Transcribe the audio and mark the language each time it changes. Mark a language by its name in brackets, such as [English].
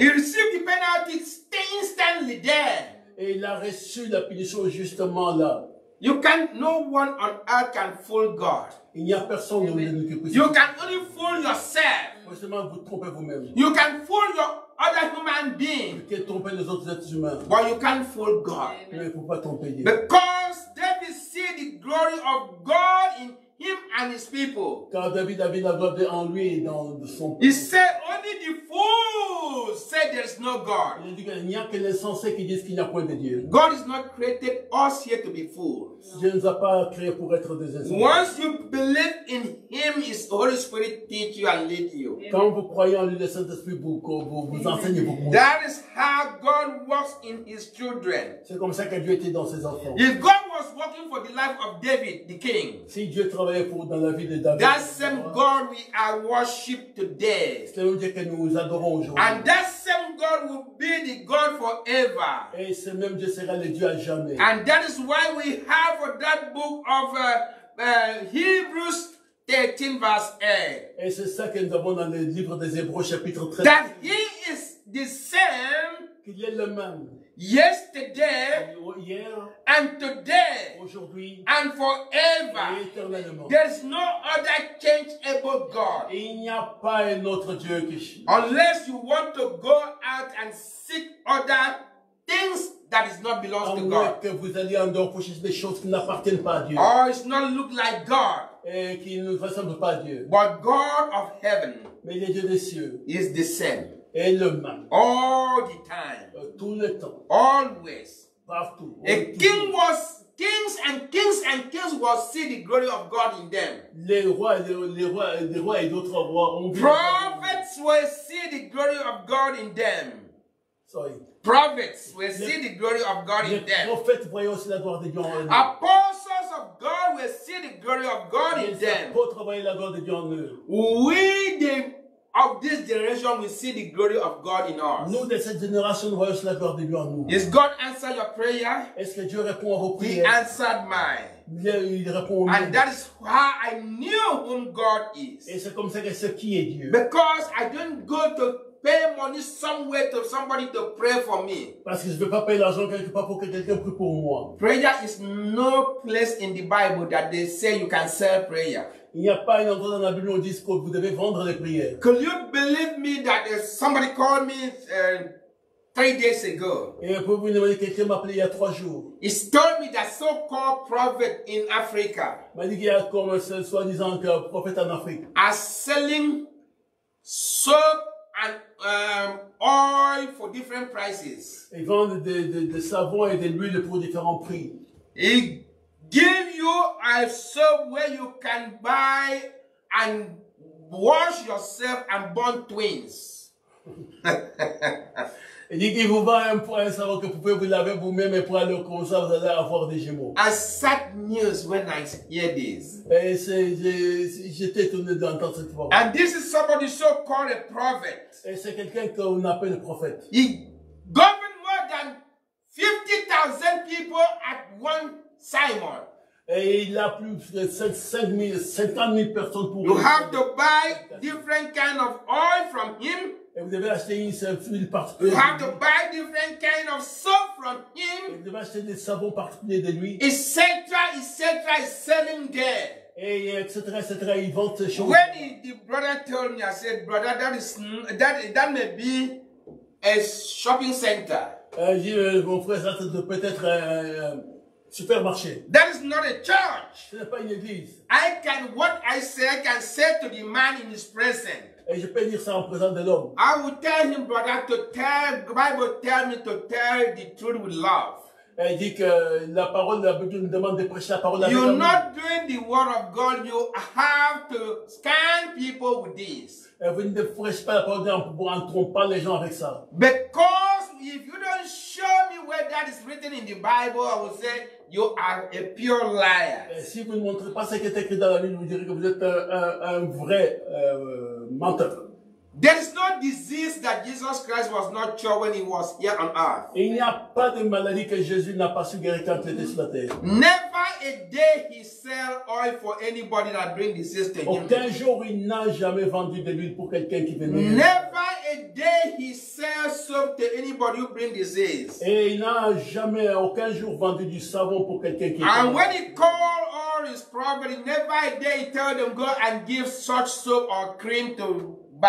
[English] He received the penalty instantly there. [French] Et il a reçu la punition justement là. [English] You can no one on earth can fool God. [French] Il n'y a personne dans le monde qui puisse. [English] You can only fool yourself. [French] Vous seulement vous trompez vous-même. [English] You can fool your other human being. [French] Vous pouvez tromper les autres êtres humains. [English] But you can't fool God. [French] Mais vous ne pouvez pas tromper Dieu. [English] Because David see the glory of God in him and his people. [French] Car David a vu la gloire en lui et dans son peuple. [English] He said only the fools say there's no God. [French] Il dit qu'il n'y a que les sensés qui disent qu'il n'y a point de Dieu. [English] God has not created us here to be fools. [French] Dieu ne nous a pas créés pour être des esprits. [English] Once you believe in him, his Holy Spirit teach you and lead you. [French] Quand vous croyez en lui, le Saint-Esprit vous enseigne et vous montre. [English] That is how God works in his children. [French] C'est comme ça que Dieu était dans ses enfants. [English] If God was working for the life of David, the king. [French] Si Dieu pour dans la vie de David. [English] That same God we are worship today. [French] C'est le même Dieu que nous adorons aujourd'hui. [English] And that same God will be the God forever. [French] Et ce même Dieu sera le Dieu à jamais. [English] And that is why we have that book of Hebrews 13 verse 8. [French] Et c'est ça que nous avons dans le livre des Hébreux chapitre 13. [English] That he is the same. [French] Qu'il est le même. [English] Yesterday, [French] hier, [English] and today, [French] aujourd'hui, [English] and forever, [French] et éternellement. [English] There's no other change above God. [French] Et il n'y a pas un autre Dieu que je. [English] Unless you want to go out and seek other things that is not belongs [French] en [English] to God. [French] Que vous allez en dehors pour chercher des choses qui n'appartiennent pas à Dieu. [English] Or it's not look like God. [French] Et qui ne ressemble pas à Dieu. [English] But God of heaven. [French] Mais le Dieu des cieux. [English] Is the same. [French] Et le même. [English] All the time. [French] Tout le temps. [English] Always. [French] Partout. [English] A king was kings and kings and kings will see the glory of God in them. [French] Les rois et d'autres rois ont vu. [English] Prophets will see the glory of God in them. Sorry. Prophets will see the glory of God in them. [French] Les prophètes voyaient aussi la gloire de Dieu en eux. [English] Apostles of of God will see the glory of God in them. [French] Pour travailler la gloire de Dieu en eux. [English] We the of this generation will see the glory of God in us. [French] Nous de cette génération voyons la gloire de Dieu en nous. [English] Is God answer your prayer? [French] Est-ce que Dieu répond à vos prières? [English] He answered mine. [French] Il répond, [English] and that is how I knew whom God is. [French] Et c'est comme ça que je sais qui est Dieu. [English] Because I don't go to pay money somewhere to somebody to pray for me. [French] Parce que je ne veux pas payer l'argent quelque part pour que quelqu'un prie pour moi. [English] Prayer is no place in the Bible that they say you can sell prayer. [French] Il n'y a pas un endroit dans la Bible où on dit que vous devez vendre les prières. [English] Could you believe me that somebody called me? 3 days ago. [French] Et pour vous demander, quelqu'un m'a appelé il y a 3 jours. [English] He told me that so-called prophet in Africa. [French] M'a dit qu'il y a comme un soi-disant prophète en Afrique. [English] Are selling soap and oil for different prices. [French] Ils vendent des savons et des huiles pour différents prix. [English] He give you a soap where you can buy and wash yourself and burn twins. [French] Il dit qu'il vous vend un point, un savon que vous pouvez vous laver vous-même et pour aller au concert, vous allez avoir des jumeaux. [English] A sad news when I hear this. [French] Et j'étais étonné d'entendre cette parole. [English] And this is somebody so called a prophet. [French] Et c'est quelqu'un qu'on appelle prophète. [English] He governed more than 50,000 people at one Simon. [French] Et il a plus de 50,000 personnes pour. [English] You have to buy different kind of oil from him. [French] Et vous devez acheter une huile particulière. [English] You have to buy different kind of soap from him. [French] Et vous devez acheter des savons particuliers de lui. [English] Etc. Etc. Is selling there. [French] Et etc. Etc. Il vend ces choses. [English] When the brother told me, I said, brother, that may be a shopping center. [French] Mon frère, ça peut être supermarché. [English] That is not a church. [French] Ce n'est pas une église. [English] I can what I can say to the man in his presence. [French] Et je peux dire ça en présence de l'homme. [English] I will tell him, brother, to tell. Bible tell me to tell the truth with love. [French] Elle dit que la parole de la Bible nous demande de prêcher la parole. [English] You're not doing the word of God. You have to scan people with this. [French] Et vous ne prêchez pas la parole en trompant pas les gens avec ça. [English] Because if you don't show me where that is written in the Bible, I will say you are a pure liar. [French] Et si vous ne montrez pas ce qui est écrit dans la Bible, vous direz que vous êtes un vrai menteur. [English] There is no disease that Jesus Christ was not cured when he was here on earth. [French] Il n'y a pas de maladie que Jésus n'a pas su guérir quand il était sur la terre. [English] Never a day he sell oil for anybody that bring disease to him. [French] Aucun jour il n'a jamais vendu de l'huile pour quelqu'un qui venait. [English] Never a day he sell soap to anybody who bring disease. [French] Et il n'a jamais aucun jour vendu du savon pour quelqu'un qui venait. [English] And when he called all his prophets, never a day he tell them go and give such soap or cream to.